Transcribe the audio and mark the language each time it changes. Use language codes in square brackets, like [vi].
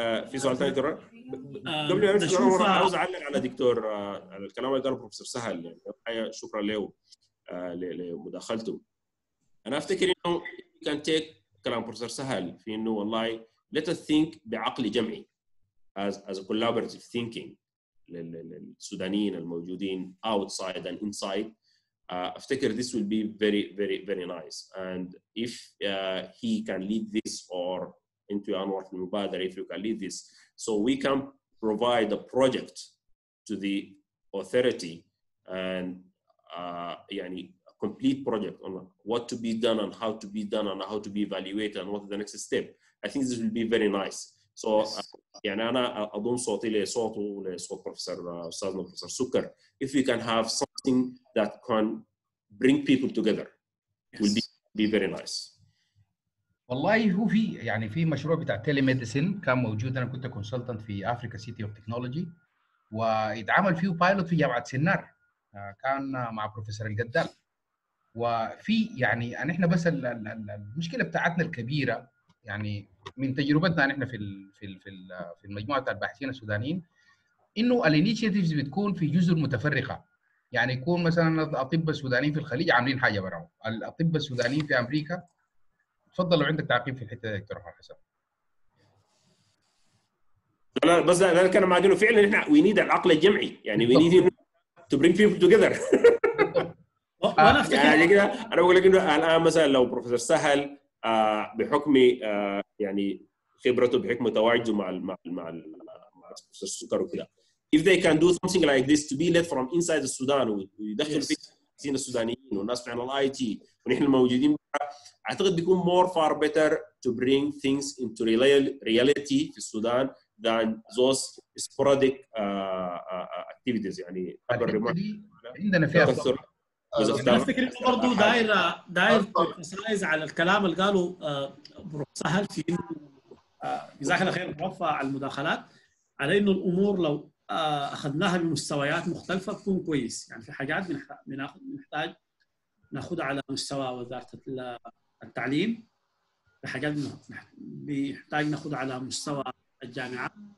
[ar] في سؤال ثاني ترى قبل ما ارجع عاوز اعلق على دكتور على الكلام اللي قاله بروفيسور سهل، شكرا له لمداخلته. انا افتكر انه كان تيك كلام بروفيسور سهل في انه والله [en] let us think [ar] بعقل جمعي [en] as a collaborative thinking [ar] للسودانيين الموجودين [en] outside and inside. [ar] افتكر [en] this will be very very very nice, and if he can lead this or into Anwar from Mubadar, if you can lead this, so we can provide a project to the authority and a complete project on what to be done and how to be done and how to be evaluated and what is the next step. I think this will be very nice. [ar] So, أنا أضم صوتي لصوته لصوت بروفيسور أستاذنا بروفيسور سكر. [en] If we can have something that can bring people together, yes. Will be very nice. [ar] والله هو في يعني في مشروع بتاع تيلي ميديسن كان موجود، انا كنت كونسلتنت في افريكا سيتي اوف تكنولوجي، واتعمل فيه بايلوت في جامعه سنار كان مع بروفيسور القدام. وفي يعني ان احنا بس المشكله بتاعتنا الكبيره يعني من تجربتنا احنا في المجموعه بتاع الباحثين السودانيين انه الانيشيتيفز بتكون في جزر متفرقه. يعني يكون مثلا الاطباء السودانيين في الخليج عاملين حاجه براهم، الاطباء السودانيين في امريكا. تفضل لو عندك تعقيب في الحته دي دكتور حسن. لا بس انا كان معقوله فعلا احنا وي نيد العقل الجمعي، يعني وي نيد [en] to bring people together. [ar] يعني كده أنا أقول لك إنه الآن مثلاً لو بروفيسور سهل بحكم يعني خبرته بحكم تواجده مع الـ مع الـ مع الـ مع بروفيسور سكر وكده. [en] If they can do something like this to be led from inside the Sudan [ar] ويدخل [en] yes. [ar] فيه زين السودانيين والناس من الIT ونحن الموجودين برا, أعتقد بيكون [en] more far better to bring things into reality [ar] في السودان [en] than those sporadic activities. [ar] يعني عندنا فيها أنا أفتكر إنه برضو داير تسايز على الكلام اللي قاله بروفيسور سهل في جزاك الله خير بروفا على المداخلات, على إنه الأمور لو أخذناها بمستويات مختلفة تكون كويس. يعني في حاجات بنحتاج نأخذها على مستوى وزارة التعليم, في حاجات بنحتاج نأخذها على مستوى الجامعة.